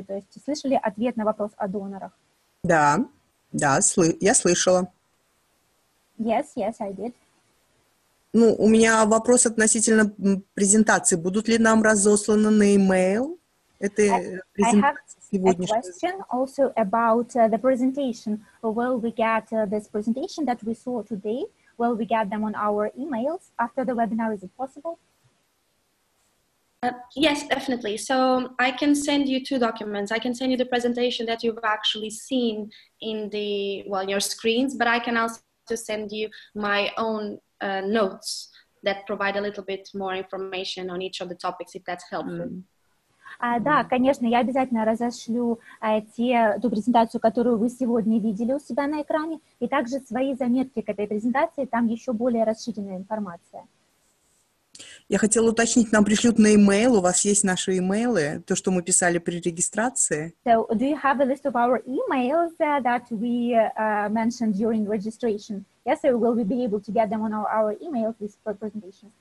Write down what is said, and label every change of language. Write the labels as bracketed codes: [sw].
[ru] То есть слышали ответ на вопрос о донорах? Да, да, я слышала. [en] Yes, I did. [ru] Ну, у меня вопрос относительно презентации. Будут ли нам разосланы на e-mail этой презентации? [en] A question also about the presentation. Will we get this presentation that we saw today? Will we get them on our emails after the webinar? Is it possible? Yes, definitely. So I can send you two documents. I can send you the presentation that you've actually seen in the, well, your screens, but I can also send you my own notes that provide a little bit more information on each of the topics, if that's helpful. Mm-hmm. [ru] Да, конечно, я обязательно разошлю ту презентацию, которую вы сегодня видели у себя на экране, и также свои заметки к этой презентации, там еще более расширенная информация. Я хотела уточнить, нам пришлют на e-mail, у вас есть наши e-mail, то, что мы писали при регистрации? [en] So, do you have a list of our e-mails that we mentioned during registration? Yes, so will we be able to get them on our e-mail this presentation?